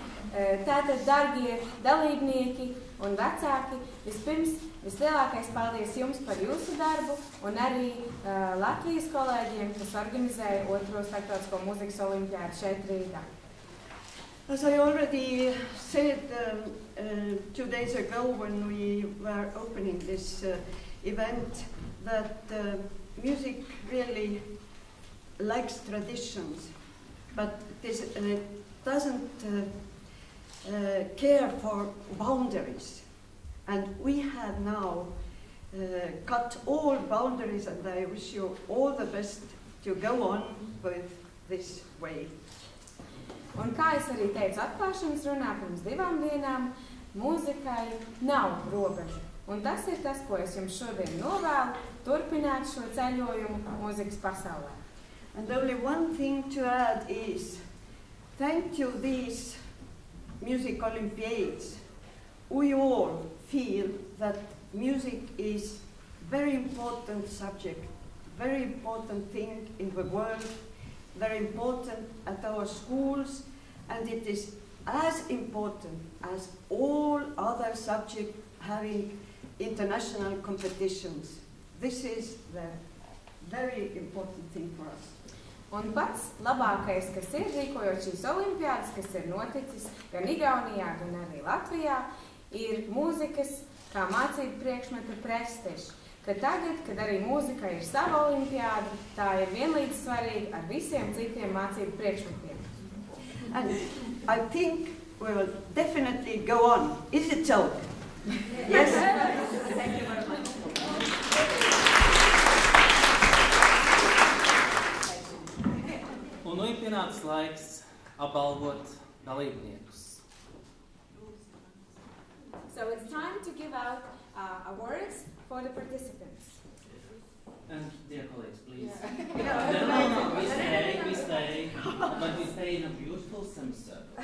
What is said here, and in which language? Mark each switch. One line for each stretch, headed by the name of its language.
Latvian: Tātad, dargie dalībnieki un vecāki, vispirms, vislielākais paldies jums par jūsu darbu un arī Latvijas kolēģiem, kas organizēja otro starptautisko mūzikas olimpiādi šeit Rīgā.
English: As I already said 2 days ago when we were open opening this event, that music really likes traditions, but this doesn't care for boundaries. And we have now cut all boundaries, and I wish you all the best to go on with this way.
Latvian: Un kā es arī teicu atklāšanas runā pirms divām dienām, mūzikai nav robežu. Un tas ir tas, ko es jums šodien novēlu, turpināt šo ceļojumu mūzikas pasaulē.
English: And only one thing to add is, thank you these music olympiads. We all feel that music is very important subject, very important thing in the world, very important at our schools, and it is as important as all other subjects having international competitions. This is the very important thing for us.
Latvian: Un pats labākais, kas ir rīkojot šīs olimpiādes, kas ir noticis gan Igaunijā, gan arī Latvijā, ir mūzikas kā mācību priekšmetu prestižs. Ka tagad, kad arī mūzika ir sava olimpiāda, tā ir vienlīdz svarīga ar visiem citiem mācību priekšmetiem.
English: And I think we will definitely go on. Is it so? Yes. Thank you very much.
Latvian: Un nu ir pienācis laiks apbalvot dalībniekus.
English: So it's time to give out awards for the participants. And dear colleagues, please. Yeah. Yeah. No, we stay, but we stay in a beautiful semester.